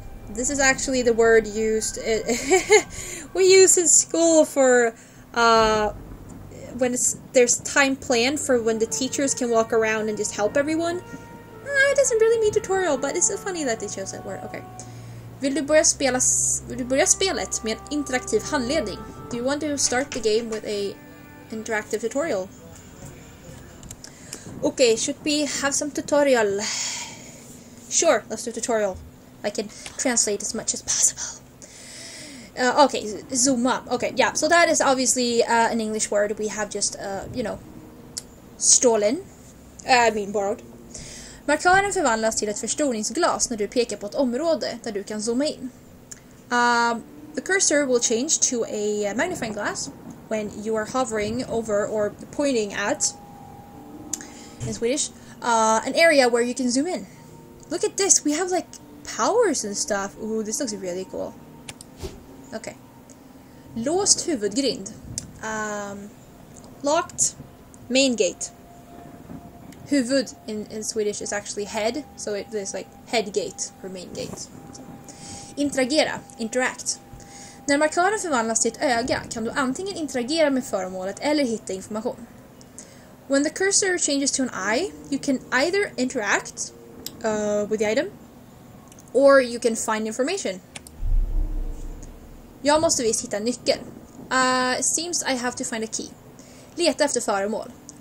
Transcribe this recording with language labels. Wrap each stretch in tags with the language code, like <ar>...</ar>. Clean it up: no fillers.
<en>This is actually the word used... we use in school for, when it's, there's time planned for when the teachers can walk around and just help everyone. It doesn't really mean tutorial, but it's funny that they chose that word. Okay.</en> <sv>Vill du börja spelet med en interaktiv handledning?</sv> <en>Do you want to start the game with a interactive tutorial? Okay, should we have some tutorial? Sure, let's do a tutorial. I can translate as much as possible. Okay, zoom up. Okay, yeah, so that is obviously an English word we have just, you know, stolen. Borrowed.</en> <sv>Markören förvandlas till ett förstoringsglas när du pekar på ett område där du kan zooma in.</sv> <en>The cursor will change to a magnifying glass when you are hovering over or pointing at, in Swedish, an area where you can zoom in. Look at this, we have like powers and stuff. Ooh, this looks really cool. Okay.</en> <sv>Låst huvudgrind.</sv> <en>Locked main gate. Huvud in Swedish is actually head, so it's like head gate or main gate. So. Interagera, interact.</en> <sv>När markören förvandlas till ett öga kan du antingen interagera med föremålet eller hitta information.</sv> <en>When the cursor changes to an eye, you can either interact with the item, or you can find information.</en> <sv>Jag måste visst hitta nyckeln.</sv> <en>Seems I have to find a key.</en> <sv>Leta efter föremål.</sv>